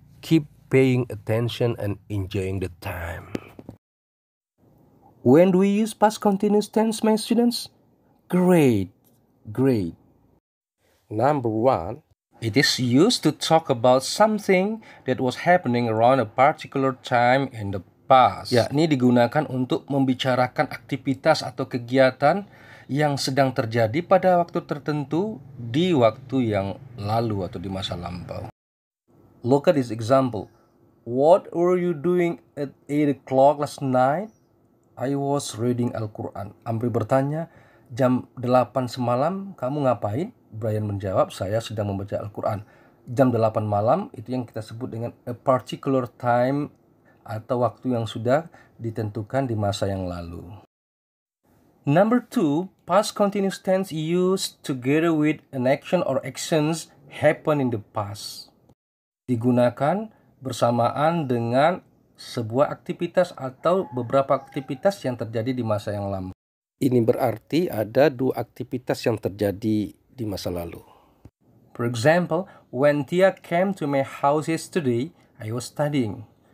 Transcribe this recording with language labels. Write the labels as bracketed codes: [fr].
[en] Keep paying attention and enjoying the time. When do we use past continuous tense, my students? Great, great. Number one, it is used to talk about something that was happening around a particular time in the past. [id] Ya, ini digunakan untuk membicarakan aktivitas atau kegiatan yang sedang terjadi pada waktu tertentu di waktu yang lalu atau di masa lampau. [en] Look at this example. What were you doing at 8 o'clock last night? I was reading Al-Quran. [id] Amri bertanya, jam 8 semalam kamu ngapain? Brian menjawab, saya sedang membaca Al-Quran. Jam 8 malam itu yang kita sebut dengan [en] a particular time [id] atau waktu yang sudah ditentukan di masa yang lalu. [en] Number two, past continuous tense used together with an action or actions happen in the past. [id] Digunakan bersamaan dengan sebuah aktivitas atau beberapa aktivitas yang terjadi di masa yang lalu. Ini berarti ada dua aktivitas yang terjadi di masa lalu. [en] For example, when Tia came to my house yesterday, I was studying.